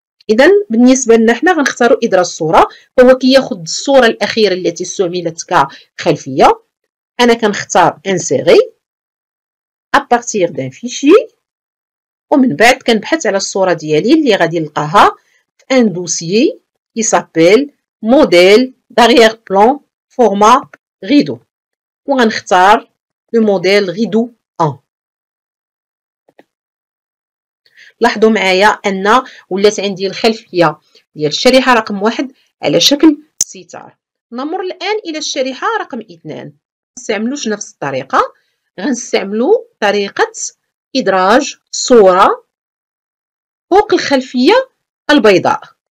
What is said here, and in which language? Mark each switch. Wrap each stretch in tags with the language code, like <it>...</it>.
<ar>إذا بالنسبة لنا حنا غنختاروا إدراج الصورة، هو كياخذ الصورة الأخيرة التي استعملت كخلفية. أنا كنختار انسيري</ar> <fr>à partir d'un fichier،</fr> <ar>ومن بعد كنبحث على الصورة ديالي اللي غادي نلقاها في ان دوسيي كي سابيل موديل</ar> <fr>d'arrière-plan format rideau. On va choisir le modèle rideau 1.</fr> <ar>لاحظوا معايا ان ولات عندي الخلفيه ديال الشريحه رقم 1 على شكل ستار. نمر الان الى الشريحه رقم 2. ما نستعملوش نفس الطريقه، غنستعملوا طريقه ادراج صوره فوق الخلفيه البيضاء.</ar>